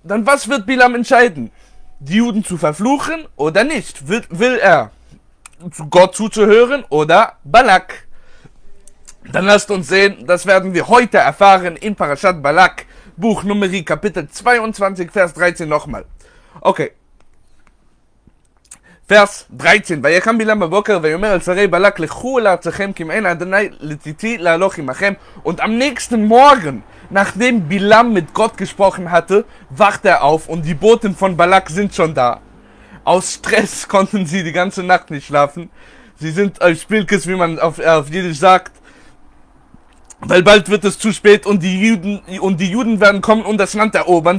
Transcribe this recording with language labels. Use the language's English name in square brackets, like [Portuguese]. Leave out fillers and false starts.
[German] Dann was wird Bilam entscheiden? Die Juden zu verfluchen oder nicht? Will er Gott zuzuhören oder Balak? Dann lasst uns sehen, das werden wir heute erfahren in Parashat Balak, Buch Numeri, Kapitel 22, Vers 13 nochmal. Okay. Vers 13. [Hebrew] ויקם בלעם בבוקר ויאמר אל שרי בלק לכו אל ארצכם כי אין אדוני לצאתי להלוך עמכם. [German] Und am nächsten Morgen, nachdem Bilam mit Gott gesprochen hatte, wacht er auf und die Boten von Balak sind schon da. Aus Stress konnten sie die ganze Nacht nicht schlafen. Sie sind auf Spilkes, wie man auf Jiddisch sagt. Weil bald wird es zu spät und die Juden werden kommen und das Land erobern.